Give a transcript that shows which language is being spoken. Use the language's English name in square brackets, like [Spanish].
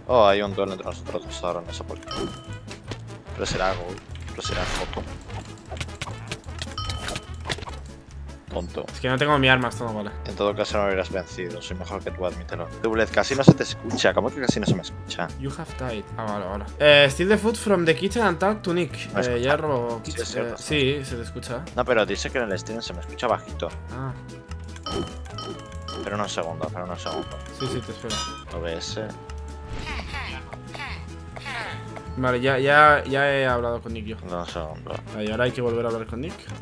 [Spanish] Oh, hay un duelo entre nosotros dos ahora, no sé por qué. Pero será gol. Pero será foto. Tonto. Es que no tengo mi arma, esto no vale. En todo caso no lo hubieras vencido, soy mejor que tú, admítelo. Dublet, casi no se te escucha, ¿cómo que casi no se me escucha? [English] You have died. [Spanish] Ah, vale. [English] Steal the food from the kitchen and talk to Nick. [Spanish] No ya robo... Sí, se te escucha. No, pero dice que en el stream se me escucha bajito. Ah. Pero un segundo, pero un segundo. Sí, te espero. OBS. Vale, ya he hablado con Nick yo. No, un segundo. Vale, ahora hay que volver a hablar con Nick.